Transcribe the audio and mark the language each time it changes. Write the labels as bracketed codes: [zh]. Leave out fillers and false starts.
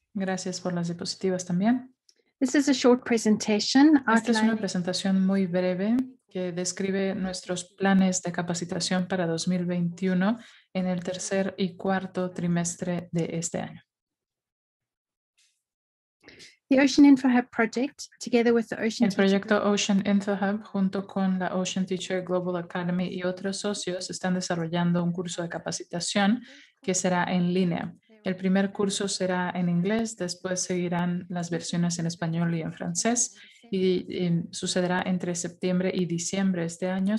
[es] Gracias por las diapositivas también. [en] This is a short presentation. [es] Esta es una presentación muy breve que describe nuestros planes de capacitación para 2021 en el tercer y cuarto trimestre de este año. [en] The Ocean InfoHub project, together with the Ocean [es] El proyecto Ocean InfoHub junto con la Ocean Teacher Global Academy y otros socios están desarrollando un curso de capacitación que será en línea. El primer curso será en inglés, después seguirán las versiones en español y en francés y sucederá entre septiembre y diciembre este año.